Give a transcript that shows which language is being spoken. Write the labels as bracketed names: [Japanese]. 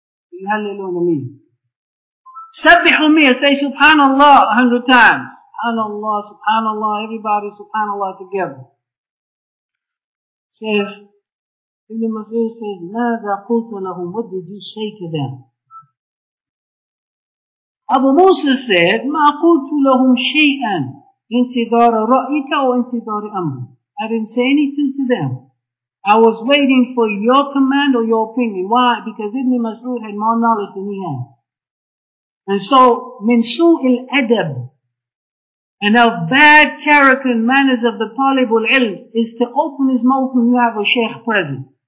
[English] Say, [Arabic] Hallilu miyah. Sabbihu miyah. [English] Say, Subhanallah 100 times. Subhanallah, Subhanallah, everybody Subhanallah together. [Arabic] Says, Ibn Mas'ud says, ماذا قلت لهم? [English] What did you say to them? [Arabic] Abu Musa said, ما قلت لهم شيئا انتظار رأيك أو انتظار أمر. [English] I didn't say anything to them. I was waiting for your command or your opinion. Why? Because Ibn Mas'ud had more knowledge than he had. And so, [Arabic] من سوء الأدب [English] and of bad character and manners of the [Arabic] طالب العلم [English] is to open his mouth when you have a sheikh present.